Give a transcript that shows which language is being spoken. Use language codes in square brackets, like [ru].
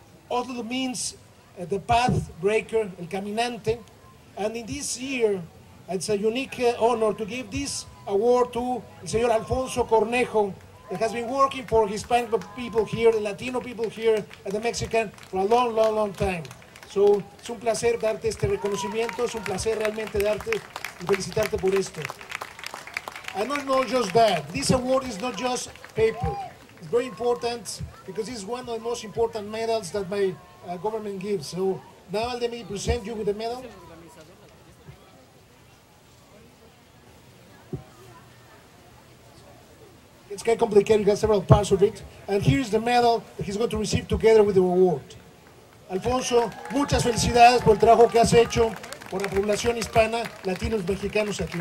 [en] Otli means the path breaker, El Caminante. And in this year, it's a unique honor to give this award to Señor Alfonso Cornejo, that has been working for Hispanic people here, the Latino people here, and the Mexican for a long, long, long time. [es] So, es un placer darte este reconocimiento, es un placer realmente darte y felicitarte por esto. [en] And not no, just that, this award is not just paper. It's very important because it's one of the most important medals that my government gives. So, now let me present you with the medal. It's kind of complicated, you got several parts of it. And here's the medal that he's going to receive together with the award. [es] Alfonso, muchas felicidades por el trabajo que has hecho por la población hispana, latinos, mexicanos aquí.